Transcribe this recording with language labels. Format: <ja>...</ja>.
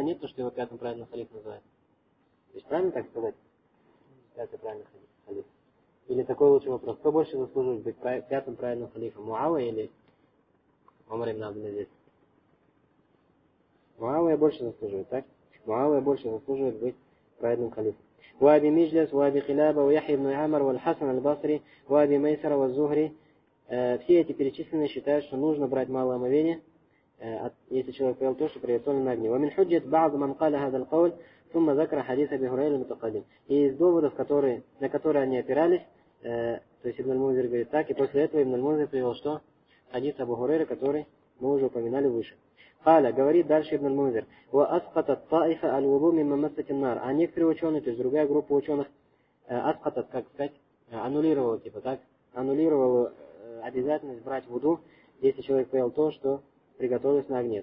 <ru>Нет, то, что его пятым праведным халифом называют? То есть правильно так сказать? Пятый праведный халиф. Или такой лучший вопрос. Кто больше заслуживает быть пятым праведным халифом? Муавия или Умар ибн Абдул-Азиз? Муавия больше заслуживает, так? Муавия больше заслуживает быть праведным халифом.</ru> <ar>وابي مجلس وابي خلابة ويحيى بن عمر والحسن البصري وابي ميسر والزهري.</ar> <ru>Все эти перечисленные считают, что нужно брать малое омовение, если человек поел то, что приготовлено на огне.</ru> <ar>ومن حجة بعض من قال هذا القول ثم ذكر حديث أبي هريرة المتقدم.</ar> <ru>И из доводов, на которые они опирались, то есть ибн аль-Мунзир говорит так, и после этого ибн аль-Мунзир привел что? Хадис Абу Хурейры, который мы уже упоминали выше. Халя, говорит дальше ибн аль-Мунзир,</ru> <ar>«Ва асхатат таифа аль-вуду мимма массатин нар».</ar> <ru>А некоторые ученые, то есть другая группа ученых, асхатат, как сказать, аннулировала, типа так, аннулировала обязательность брать вуду, если человек поел то, что приготовилось на огне.</ru>